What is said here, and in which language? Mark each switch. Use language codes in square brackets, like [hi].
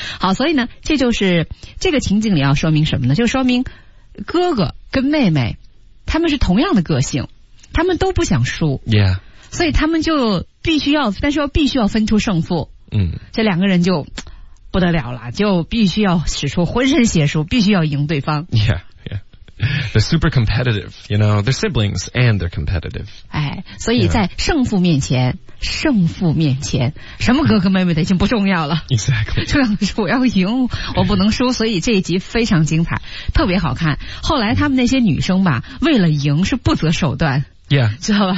[zh] 好，所以呢，这就是这个情景里要说明什么呢？就说明哥哥跟妹妹他们是同样的个性。他们都不想输、所以他们就必须要但是要必须要分出胜负、这两个人就不得了了，就必须要使出浑身解数，必须要赢对方。 [en] They're super competitive, you know, they're siblings and they're competitive. [zh] 哎，所以在胜负面前什么哥哥妹妹的已经不重要了。 [en] Exactly. [zh] 重要的是我要赢我不能输，所以这一集非常精彩，特别好看。后来他们那些女生吧为了赢是不择手段。知道吧